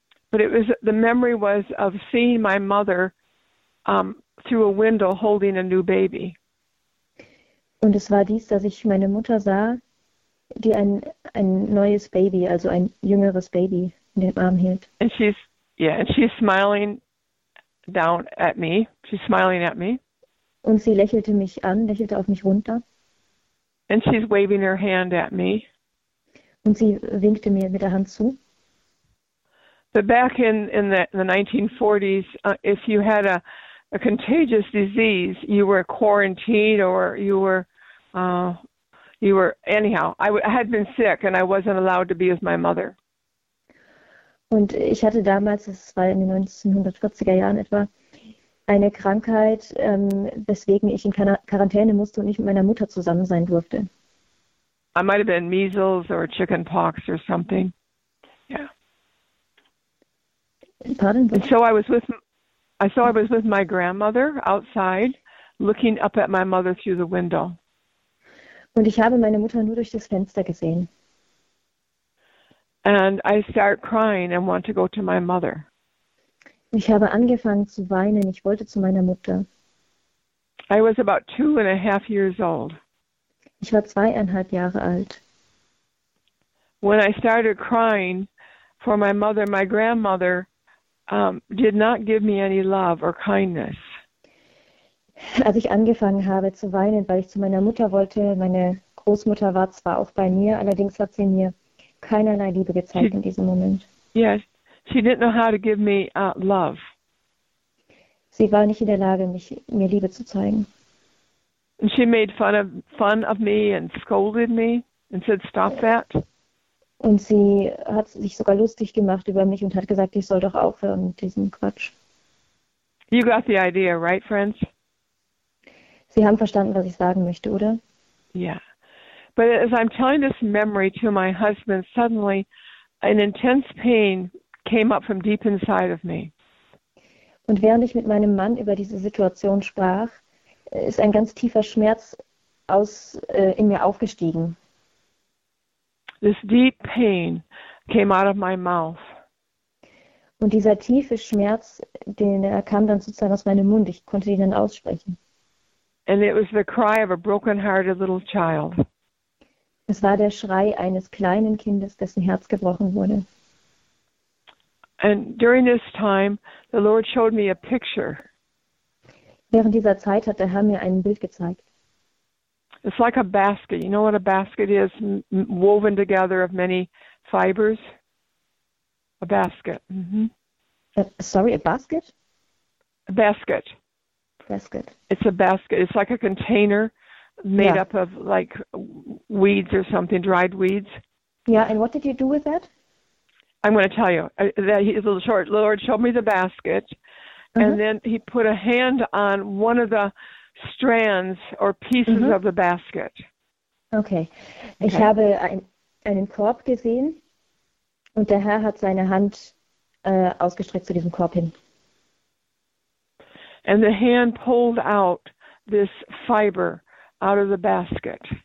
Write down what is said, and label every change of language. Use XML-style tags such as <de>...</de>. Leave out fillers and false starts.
<en>But it was, the memory was of seeing my mother through a window holding a new baby.</en> <de>Und es war dies, dass ich meine Mutter sah, die ein neues Baby, also ein jüngeres Baby, in den Arm hielt.</de> <en>And she's, and she's smiling down at me. She's smiling at me.</en> <de>Und sie lächelte mich an, lächelte auf mich runter.</de> <en>And she's waving her hand at me.</en> <de>Und sie winkte mir mit der Hand zu.</de> <en>But back in the 1940s, if you had a contagious disease, you were quarantined or I had been sick and I wasn't allowed to be with my mother.</en> <de>Und ich hatte damals, das war in den 1940er Jahren etwa, eine Krankheit, weswegen ich in Quarantäne musste und nicht mit meiner Mutter zusammen sein durfte.</de> <en>I might have been measles or chicken pox or something. Yeah. Pardon? And so I was with my grandmother outside, looking up at my mother through the window.</en> <de>Und ich habe meine Mutter nur durch das Fenster gesehen.</de> <en>And I start crying and want to go to my mother.</en> <de>Ich habe angefangen zu weinen. Ich wollte zu meiner Mutter.</de> <en>I was about 2.5 years old.</en> <de>Ich war 2,5 Jahre alt.</de> <en>When I started crying for my mother, my grandmother did not give me any love or kindness.</en> <de>Als ich angefangen habe zu weinen, weil ich zu meiner Mutter wollte, meine Großmutter war zwar auch bei mir, allerdings hat sie mir keinerlei Liebe gezeigt in diesem Moment.</de> <en>Yes, she didn't know how to give me love.</en> <de>Sie war nicht in der Lage, mir Liebe zu zeigen.</de> <en>And she made fun of me and scolded me and said, stop that.</en> <de>Und sie hat sich sogar lustig gemacht über mich und hat gesagt, ich soll doch aufhören mit diesem Quatsch.</de> <en>You got the idea, right, friends?</en> <de>Sie haben verstanden, was ich sagen möchte, oder? Yeah.</de> <en>But as I'm telling this memory to my husband, suddenly an intense pain came up from deep inside of me.</en> <de>Und während ich mit meinem Mann über diese Situation sprach, ist ein ganz tiefer Schmerz in mir aufgestiegen.</de> <en>This deep pain came out of my mouth.</en> <de>Und dieser tiefe Schmerz, er kam dann sozusagen aus meinem Mund. Ich konnte ihn dann aussprechen.</de> <en>And it was the cry of a broken-hearted little child.</en> <de>Es war der Schrei eines kleinen Kindes, dessen Herz gebrochen wurde.</de> <en>And during this time, the Lord showed me a picture.</en> <de>Während dieser Zeit hat der Herr mir ein Bild gezeigt.</de> <en>It's like a basket. You know what a basket is? Woven together of many fibers. A basket. Sorry, a basket? A basket. Basket. It's a basket. It's like a container made up of like weeds or something, dried weeds. Yeah, and what did you do with that? I'm going to tell you. The Lord showed me the basket, and then he put a hand on one of the strands or pieces of the basket. Okay.</en> <de>Ich habe einen Korb gesehen, und der Herr hat seine Hand ausgestreckt zu diesem Korb hin.</de> <en>And the hand pulled out this fiber out of the basket.</en>